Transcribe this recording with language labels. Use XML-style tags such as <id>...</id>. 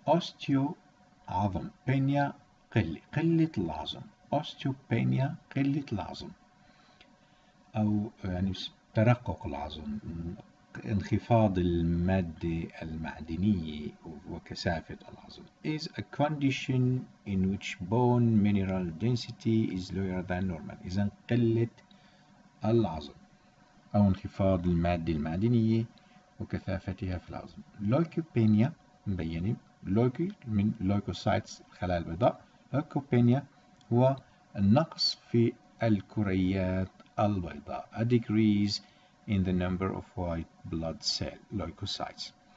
<ar>Osteo عظم، penia قلة العظم. Osteopenia قلة العظم أو يعني ترقق العظم، انخفاض المادة المعدنية وكثافة العظم.</ar> <en>Is a condition in which bone mineral density is lower than normal.</en> <ar>إذن قلة العظم أو انخفاض المادة المعدنية وكثافتها في العظم. Leukopenia مبينة لوكي من لوكوسايتس خلايا البيضاء، لوكوبينيا هو النقص في الكريات البيضاء،</ar> <en>a decrease in the number of white blood cell leukocytes.</en>